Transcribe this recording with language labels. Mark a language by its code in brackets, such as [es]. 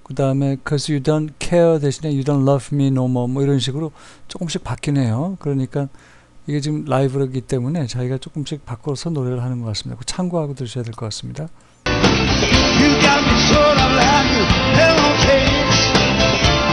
[ko] 그 다음에 'cause you don't care 대신에 you don't love me no more. 뭐 이런 식으로 조금씩 바뀌네요. 그러니까 이게 지금 라이브이기 때문에 자기가 조금씩 바꿔서 노래를 하는 것 같습니다. 참고하고 들으셔야 될것 같습니다. [en] You got me sort of like a pillowcase.